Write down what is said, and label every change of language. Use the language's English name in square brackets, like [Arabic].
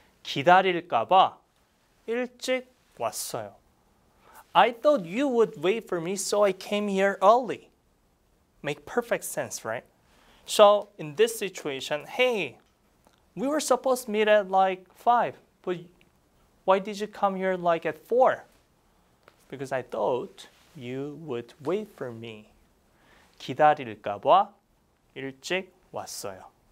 [Korean] 기다릴까봐 일찍 왔어요. [English] I thought you would wait for me, so I came here early. Make perfect sense, right? So in this situation, hey, we were supposed to meet at like 5, but why did you come here like at 4? Because I thought you would wait for me. [Korean] 기다릴까봐 일찍 왔어요.